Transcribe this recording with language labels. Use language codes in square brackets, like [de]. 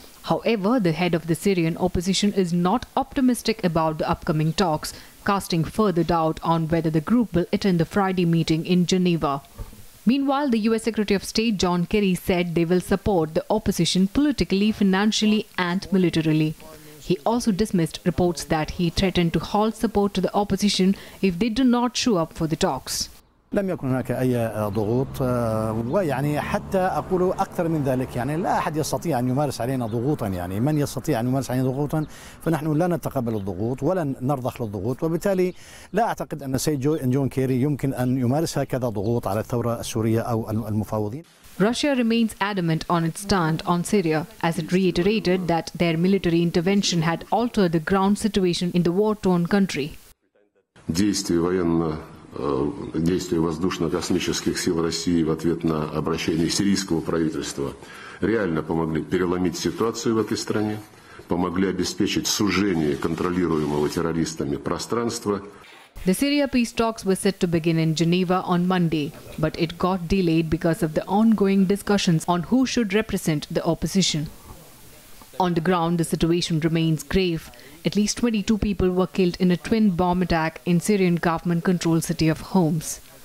[en] However, the head of the Syrian opposition is not optimistic about the upcoming talks, casting further doubt on whether the group will attend the Friday meeting in Geneva. Meanwhile, the U.S. Secretary of State John Kerry said they will support the opposition politically, financially and militarily. He also dismissed reports that he threatened to halt support to the opposition if they do not show up for the talks. [ar] لم يكن هناك أي ضغوط ويعني حتى أقول أكثر من ذلك يعني لا أحد يستطيع أن يمارس علينا ضغوطا يعني من يستطيع أن يمارس علينا ضغوطا فنحن لا نتقبل الضغوط ولن نرضخ للضغوط وبالتالي لا أعتقد أن سيد جون كيري يمكن أن يمارس هكذا ضغوط على الثورة السورية أو المفاوضين. [en] Russia remains adamant on its stand on Syria as it reiterated that their military intervention had altered the ground situation in the war-torn country. [ru] Действия военно действия воздушно-космических сил России в ответ на обращение сирийского правительства реально помогли переломить ситуацию в этой стране, помогли обеспечить сужение контролируемого террористами пространства. [en] The Syria peace talks were set to begin in Geneva on Monday, but it got delayed because of the ongoing discussions on who should represent the opposition. On the ground, the situation remains grave. At least 22 people were killed in a twin bomb attack in Syrian government-controlled city of Homs.